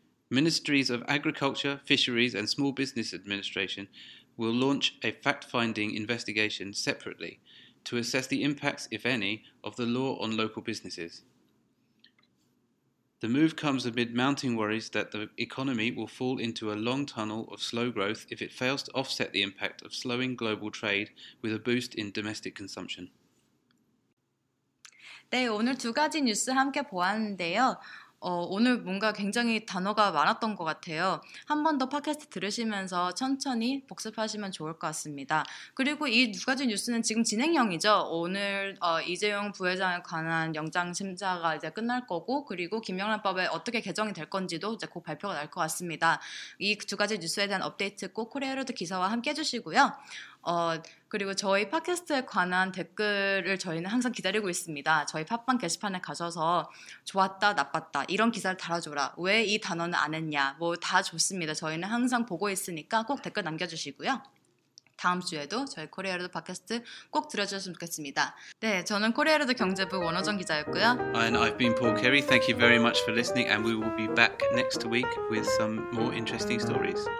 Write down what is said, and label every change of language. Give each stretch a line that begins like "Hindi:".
English: Ministries of Agriculture, Fisheries and Small Business Administration will launch a fact-finding investigation separately to assess the impacts, if any, of the law on local businesses. The move comes amid mounting worries that the economy will fall into a long tunnel of slow growth if it fails to offset the impact of slowing global trade with a boost in domestic consumption.
Korean: 네, 오늘 두 가지 뉴스 함께 보았는데요. 오늘 뭔가 굉장히 단어가 많았던 것 같아요. 한 번 더 팟캐스트 들으시면서 천천히 복습하시면 좋을 것 같습니다. 그리고 이 두 가지 뉴스는 지금 진행형이죠. 오늘 이재용 부회장에 관한 영장 심사가 이제 끝날 거고 그리고 김영란법에 어떻게 개정이 될 건지도 이제 곧 발표가 날 것 같습니다. 이 두 가지 뉴스에 대한 업데이트 꼭 코리아로드 기사와 함께 해주시고요. 그리고 저희 팟캐스트에 관한 댓글을 저희는 항상 기다리고 있습니다. 저희 팟빵 게시판에 가셔서 좋았다, 나빴다 이런 기사를 달아줘라. 왜 이 단어는 안 했냐. 뭐 다 좋습니다. 저희는 항상 보고 있으니까 꼭 댓글 남겨주시고요. 다음 주에도 저희 코리아로드 팟캐스트 꼭 들어주셨으면 좋겠습니다. 네, 저는 코리아로드 경제부 원호정 기자였고요.
English: And I've been Paul Carey. Thank you very much for listening. And we will be back next week with some more interesting stories.